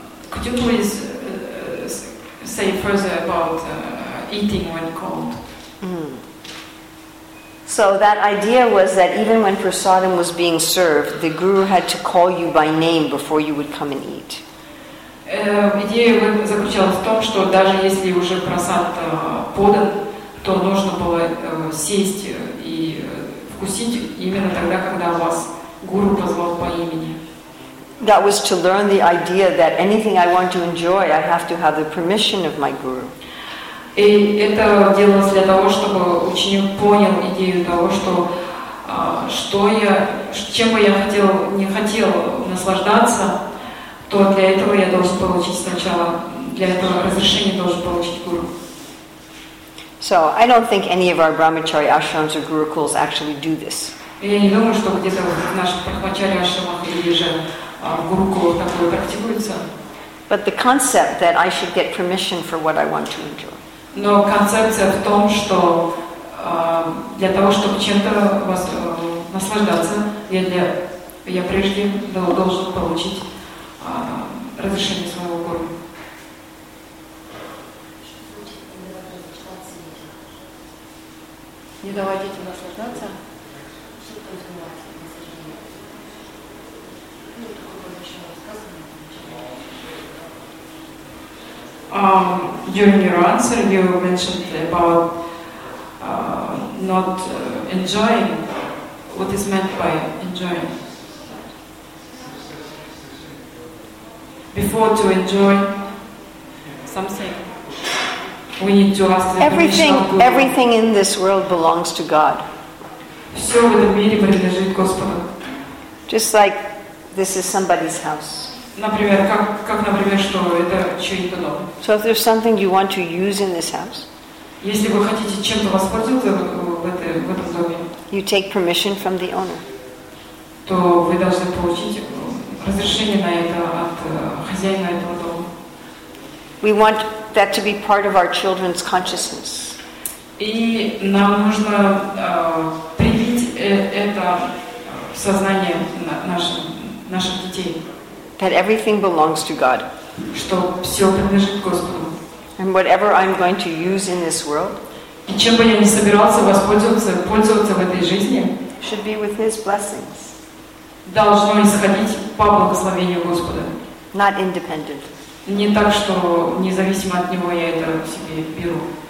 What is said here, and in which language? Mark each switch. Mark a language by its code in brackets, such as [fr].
[en] Could you please say further about eating when called? Mm. So that idea was that even when prasadam was being served, the guru had to call you by name before you would come and eat. [ru] Идея заключалась в том, что даже если уже прасад подан, то нужно было сесть и вкусить именно тогда, когда вас гуру позвал по имени. [en] That was to learn the idea that anything I want to enjoy, I have to have the permission of my guru. [ru] И это делалось для того, чтобы ученик понял идею того, что что я, чем бы я хотел, не хотел наслаждаться, то для этого я должен получить сначала, для этого разрешение должен получить гуру. [en] So I don't think any of our brahmachari ashrams or gurukuls actually do this. [ru] Я не думаю, что где-то в наших брахмачари ашрамах или же гурукулах такое практикуется. [en] But the concept that I should get permission for what I want to enjoy. [ru] Но концепция в том, что для того, чтобы чем-то вас наслаждаться, я прежде должен получить разрешение своего гуру. Не давать этим наслаждаться. [en] During your answer, you mentioned about not enjoying. What is meant by enjoying? Before to enjoy something, we need to ask the everything. Everything in this world belongs to God. [ru] Все в этом мире принадлежит Господу. [en] Just like this is somebody's house. [ru] Например, как, например, что это чей-то дом. [en] So if there's something you want to use in this house, [ru] если вы хотите чем-то воспользоваться в этом доме, [en] you take permission from the owner. [ru] То вы должны получить разрешение на это от хозяина этого дома. [en] We want that to be part of our children's consciousness. [ru] И нам нужно привить это в сознание наших детей. [en] That everything belongs to God. [ru] Что всё принадлежит Господу. [en] And whatever I'm going to use in this world, [ru] и чем бы я ни собирался пользоваться в этой жизни, [en] should be with His blessings. [ru] Должно исходить по благословению Господа. [en] Not independent. [ru] Не так, что независимо от него я это себе беру.